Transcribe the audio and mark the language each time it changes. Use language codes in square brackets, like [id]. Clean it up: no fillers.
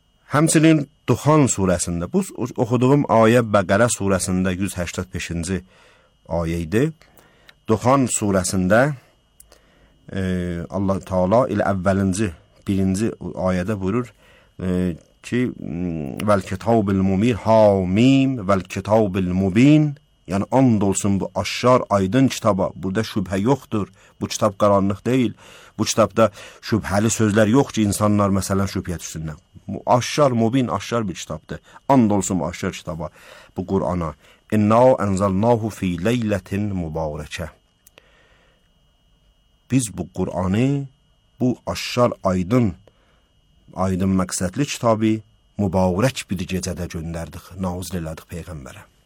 [az] Həmçinin Duhan surəsində, bu oxuduğum ayə Bəqərə surəsində 185-ci ayə idi, Duhan surəsində, Allah Teala ilə əvvəlinci, birinci ayədə buyurur ki, [ar] Vəl-kitab-il-mubin, ha-mim, vəl-kitab-il-mubin, [az] yəni and olsun bu aşşar aydın kitaba, burada şübhə yoxdur, bu kitab qaranlıq deyil, bu kitabda şübhəli sözlər yox ki, insanlar məsələn şübhəyə düşsünlər. Bu aşşar, mubin, aşşar bir kitabdır, and olsun bu aşşar kitaba, bu Qurana. [ar] İnna ənzəlnahu fi leylətin mübarəkə. [az] Biz bu Qur'anı, bu aşşar aydın, aydın məqsədli kitabı mübarək bir gecədə göndərdik, nazil elədik Peyğəmbərə.